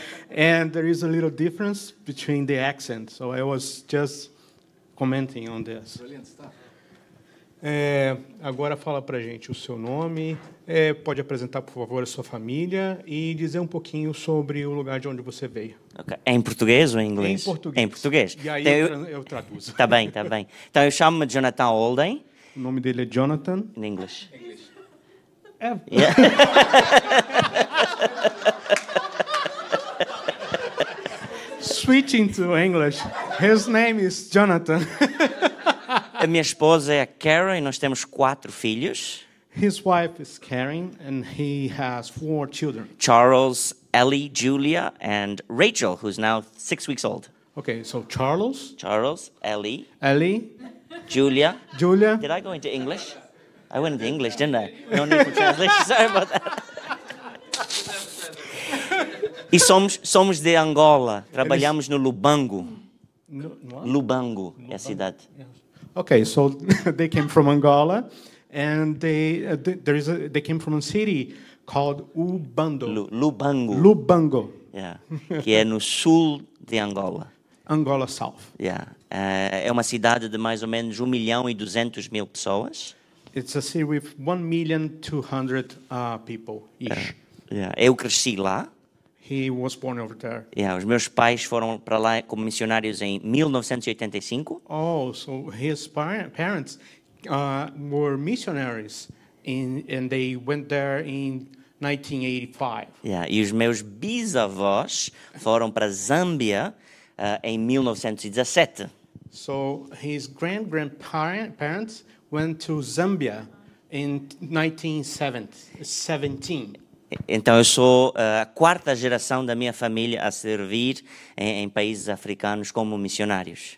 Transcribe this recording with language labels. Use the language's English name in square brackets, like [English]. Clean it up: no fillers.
[English] And there is a little difference between the accent, so I was just commenting on this. Brilliant stuff. [Portuguese] Agora fala pra gente o seu nome, pode apresentar, por favor, a sua família e dizer um pouquinho sobre o lugar de onde você veio. Okay. Em português ou em inglês? Em português. Em português. E aí eu traduzo. Tá bem, tá bem. Então eu chamo-me Jonathan Holden. O nome dele é Jonathan. [English] In English. English. Yeah. Switching to English. His name is Jonathan. [Portuguese] A minha esposa é a Karen e nós temos 4 filhos. [English] His wife is Karen and he has 4 children. Charles, Ellie, Julia and Rachel, who's now 6 weeks old. Okay, so Charles. Charles, Ellie. Ellie. Julia. Julia. Did I go into English? I went into English, didn't I? No need for translation, sorry about that. [Portuguese] E somos de Angola, trabalhamos no Lubango. Lubango é a cidade. [English] Okay, so they came from Angola and they came from a city called Ubando. Lubango. Lubango. [Portuguese] Yeah. Que é no sul de Angola. [English] Angola South. Yeah. [Portuguese] É uma cidade de mais ou menos 1,200,000 pessoas. [English] It's a city with 1,200,000 people each. [Portuguese] Yeah. Eu cresci lá. [English] He was born over there. [Portuguese] Yeah, os meus pais foram para lá como missionários em 1985. [English] Oh, so his parents were missionaries and they went there in 1985. [Portuguese] Yeah, e os meus bisavós foram para Zâmbia em 1917. [English] So his grandparents went to Zambia in 1917. [Portuguese] Então eu sou a quarta geração da minha família a servir em países africanos como missionários.